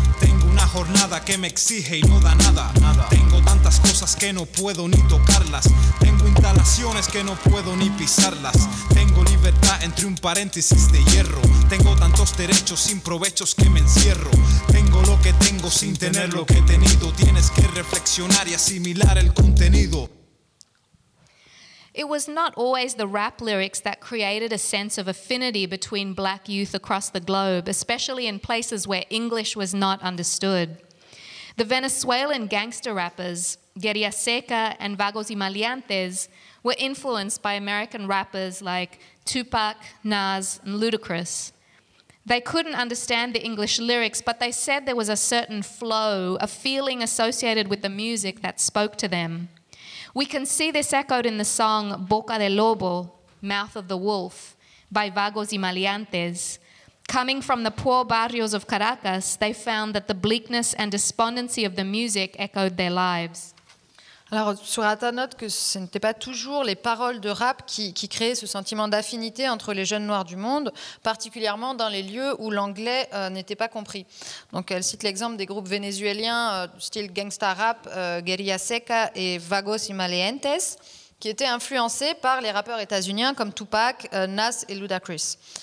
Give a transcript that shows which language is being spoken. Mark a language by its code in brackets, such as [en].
[es] Tengo una jornada que me exige y no da nada. Tengo tantas cosas que no puedo ni tocarlas. Tengo instalaciones que no puedo ni pisarlas. Tengo libertad entre un paréntesis de hierro. Tengo tantos derechos sin provechos que me encierro. Tengo lo que tengo sin tener lo que he tenido. Tienes que reflexionar y asimilar el contenido. [en] It was not always the rap lyrics that created a sense of affinity between black youth across the globe, especially in places where English was not understood. The Venezuelan gangster rappers, Guerrilla Seca and Vagos y Maleantes, were influenced by American rappers like Tupac, Nas, and Ludacris. They couldn't understand the English lyrics, but they said there was a certain flow, a feeling associated with the music that spoke to them. We can see this echoed in the song Boca del Lobo, Mouth of the Wolf, by Vagos y Maleantes. Coming from the poor barrios of Caracas, they found that the bleakness and despondency of the music echoed their lives. [fr] Alors, Surata note que ce n'était pas toujours les paroles de rap qui créaient ce sentiment d'affinité entre les jeunes noirs du monde, particulièrement dans les lieux où l'anglais n'était pas compris. Donc, elle cite l'exemple des groupes vénézuéliens style gangsta rap, Guerrilla Seca et Vagos y Maleantes, qui étaient influencés par les rappeurs états-uniens comme Tupac, Nas et Ludacris.